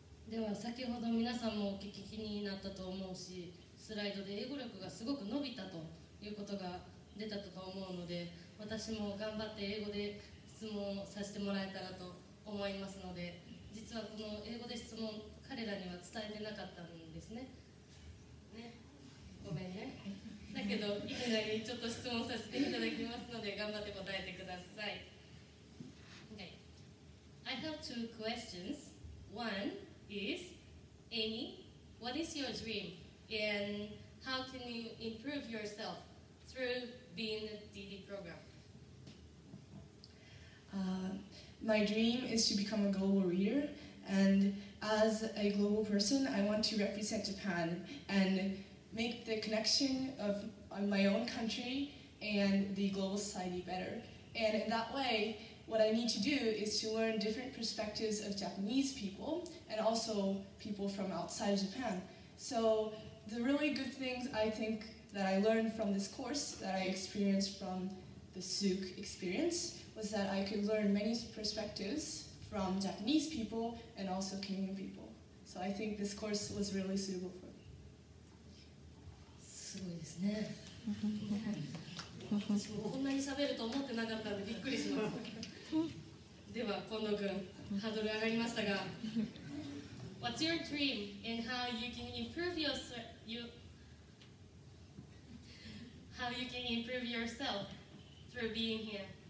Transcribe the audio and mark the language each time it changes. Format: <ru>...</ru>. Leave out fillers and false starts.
<ja>では先ほど皆さんもお聞きになったと思うし、スライドで英語力がすごく伸びたということが出たと思うので、私も頑張って英語で質問させてもらえたらと思いますので、実はこの英語で質問彼らには伝えてなかったんですね。ね、ごめんね。だけどいきなりちょっと質問させていただきますので頑張って答えてください。</ja> <en>Okay. I have two questions. One is, Amy, what is your dream and how can you improve yourself through being a DD program? My dream is to become a global reader, and as a global person, I want to represent Japan and make the connection of my own country and the global society better. And in that way, what I need to do is to learn different perspectives of Japanese people and also people from outside of Japan. So the really good things I think that I learned from this course that I experienced from the Souk experience was that I could learn many perspectives from Japanese people and also Kenyan people. So I think this course was really suitable for me.</en> <ja>すごいですね。私もこんなに喋ると思ってなかったんでびっくりしました。では、近藤君、ハードル上がりましたが。</ja> <en>What's your dream and how you can improve how you can improve yourself through being here?</en>